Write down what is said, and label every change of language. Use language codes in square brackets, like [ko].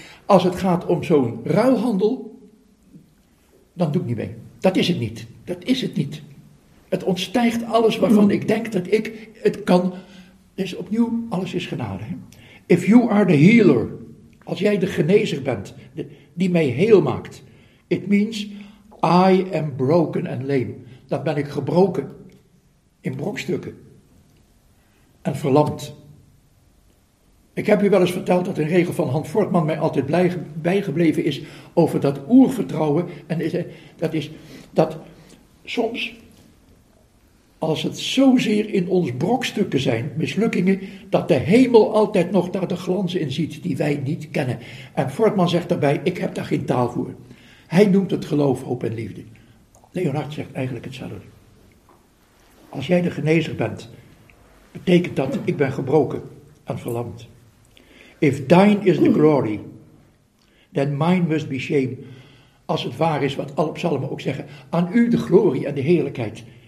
[nl] Als het gaat om zo'n ruilhandel, dan doe ik niet mee. Dat is het niet. Dat is het niet. Het ontstijgt alles waarvan ik denk dat ik het kan. Dus opnieuw, alles is genade. Hè? [en] If you are the healer, [nl] als jij de genezer bent, die mij heel maakt. [en] It means I am broken and lame. [nl] Dan ben ik gebroken in brokstukken en verlamd. Ik heb u wel eens verteld dat een regel van Hans Fortman mij altijd bijgebleven is over dat oervertrouwen. En dat is dat soms, als het zozeer in ons brokstukken zijn, mislukkingen, dat de hemel altijd nog daar de glans in ziet die wij niet kennen. En Fortman zegt daarbij, ik heb daar geen taal voor. Hij noemt het geloof, hoop en liefde. Leonard zegt eigenlijk hetzelfde. Als jij de genezer bent, betekent dat ik ben gebroken en verlamd. [en] If thine is the glory, then mine must be shame. [nl] Als het waar is wat alle psalmen ook zeggen, aan u de glorie en de heerlijkheid.